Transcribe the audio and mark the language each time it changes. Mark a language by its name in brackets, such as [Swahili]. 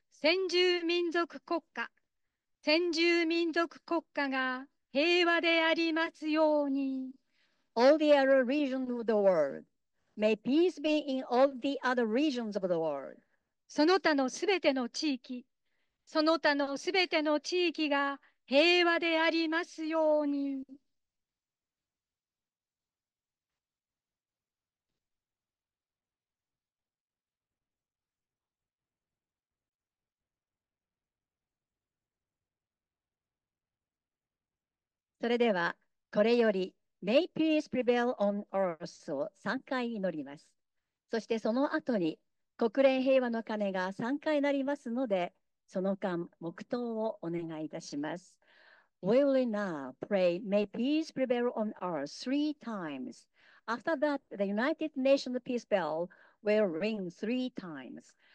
[Japanese] 先住民族国家が平和でありますように。 [English] All the other regions of the world. May peace be in all the other regions of the world. [Japanese] その他のすべての地域が平和でありますように。それではこれより [English] May peace prevail on earth [Japanese] を3回祈ります。そしてその後に国連平和の鐘が3回鳴りますので、その間黙祷をお願いいたします。 [English] We will now pray May peace prevail on earth 3 times. After that, the United Nations peace bell will ring 3 times.